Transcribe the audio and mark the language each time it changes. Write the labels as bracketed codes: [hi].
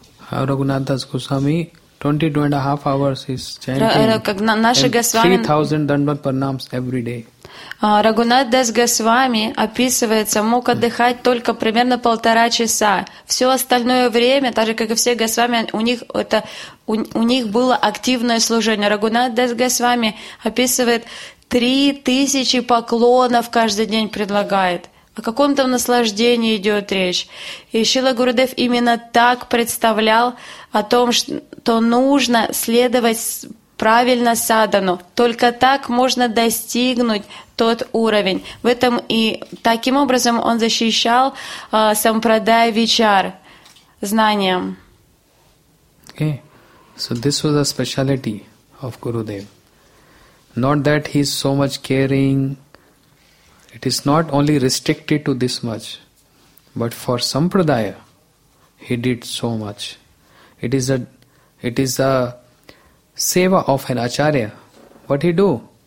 [en] Рагунат Дас Госвами 22 and a half hours is chanting 3000 Dandvat Pranams every day. [ru] Рагунат Дас Госвами описывается, мог отдыхать только примерно 1.5 часа. Все остальное время, так же как и все Госвами, у них было активное служение. Рагунат Дас Госвами описывает 3000 поклонов каждый день предлагает. О каком-то наслаждении идет речь. И Шрила Гурудев именно так представлял о том, что нужно следовать правильно садхану. Только так можно достигнуть тот уровень. В этом и таким образом он защищал сампрадая вичар знанием. [en] Okay. So this was a speciality of Gurudev. Not that he is so much caring. It is not only restricted to this much. But for sampradaya, he did so much. It is a seva of an acharya. What he do?